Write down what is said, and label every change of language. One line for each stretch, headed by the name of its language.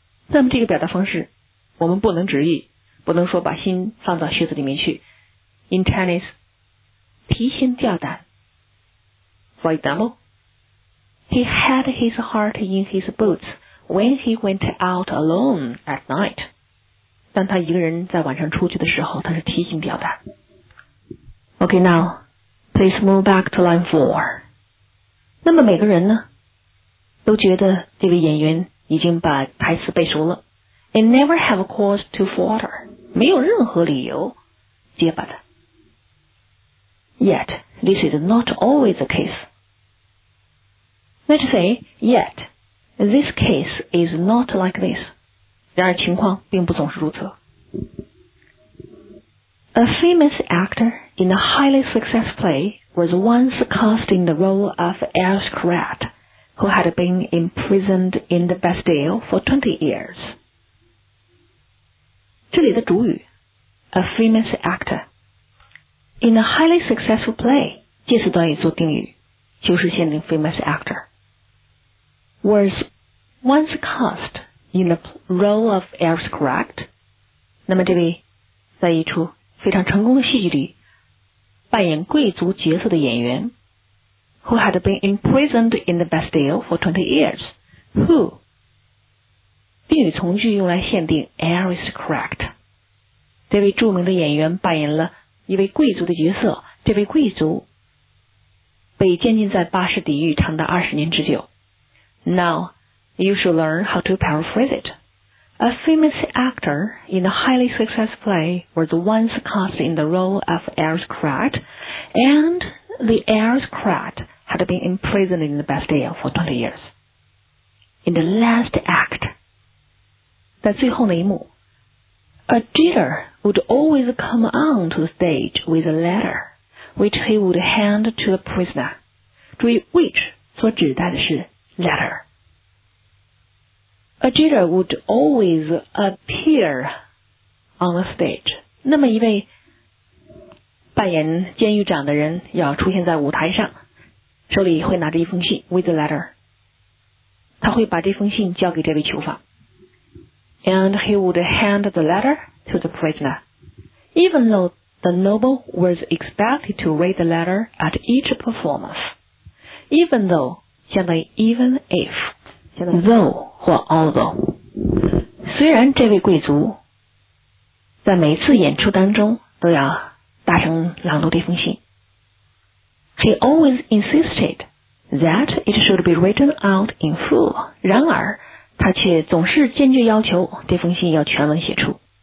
Chinese: 那么这个表达方式我们不能直译，不能说把心放到靴子里面去。
English: In Chinese，
Chinese: 提心吊胆。
English: For example， He had his heart in his boots when he went out alone at night，
Chinese: 当他一个人在晚上出去的时候，他是提心吊胆。
English: OK， now please move back to line 4。
Chinese: 那么每个人呢都觉得这位演员已经把台词背熟了。
English: I never have a cause to falter，
Chinese: 没有任何理由结巴的。
English: Yet this is not always the case， let's say yet this case is not like this，
Chinese: 然而情况并不总是如此。
English: A famous actor in a highly successful playwas once cast in the role of aristocrat who had been imprisoned in the Bastille for 20 years.
Chinese: 这里的主语 a famous actor.
English: In a highly successful play,
Chinese: 介词短语做定语，就是限定 famous actor.
English: Was once cast in the role of aristocrat.
Chinese: 那么这位在一出非常成功的戏剧里扮演贵族角色的演员
English: who had been imprisoned in the Bastille for 20 years
Chinese: who 定语从句用来限定 aristocrat 这位著名的演员扮演了一位贵族的角色，这位贵族被监禁在巴士底狱长达20年之久。
English: Now you should learn how to paraphrase it. A famous actor in a highly successful play was once cast in the role of aristocrat, and the aristocrat had been imprisoned in the Bastille for 20 years. In the last act,
Chinese: 在最后那一幕
English: a jailer would always come on to the stage with a letter, which he would hand to a prisoner.
Chinese: 注意 which 所指代的是 letter.
English: A jailer would always appear on the stage.
Chinese: 那么一位扮演监狱长的人要出现在舞台上，手里会拿着一封信
English: with a letter.
Chinese: 他会把这封信交给这位囚犯。
English: And he would hand the letter to the prisoner. Even though the noble was expected to read the letter at each performance. Even though, 相当于 even if.
Chinese: Though 或 although， 虽然这位贵族在每次演出当中都要大声朗读这封信，
English: He always insisted that it should be written out in full，
Chinese: 然而他却总是坚决要求这封信要全文写出。